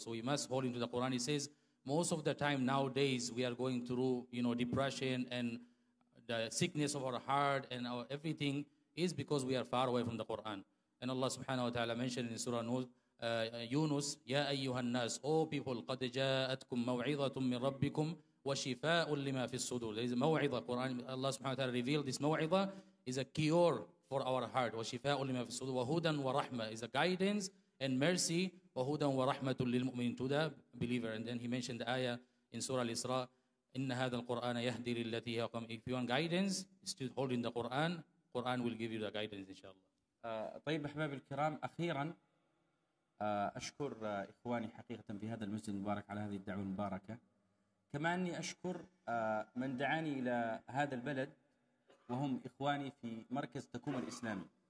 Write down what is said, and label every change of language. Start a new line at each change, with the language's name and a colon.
English: So we must hold into the Quran. He says, most of the time nowadays, we are going through, you know, depression and the sickness of our heart and our everything is because we are far away from the Quran. And Allah subhanahu wa ta'ala mentioned in Surah Yunus, Ya ayyuhan nas, O people,
Arabic: قد جاءتكم موعظة من ربكم وشفاء لما في الصدور.
English: There is a موعظة, Quran, Allah subhanahu wa ta'ala revealed this موعظة is a cure for our heart.
Arabic: وشفاء لما في الصدور, وهدن ورحمة
English: is a guidance and mercy,
Arabic: وهدن ورحمة للمؤمنين,
English: to the believer. And then he mentioned the ayah in Surah Al-Isra,
Arabic: إن هذا القرآن يهدي للتي هي أقوم.
English: If you want guidance, still holding the Quran, Quran will give you the guidance, إن شاء الله.
Arabic: طيب أحباب الكرام, أخيرا أشكر إخواني حقيقة في هذا المسجد المبارك على هذه الدعوة المباركة, كما أني أشكر من دعاني إلى هذا البلد وهم إخواني في مركز تكوم الإسلامي.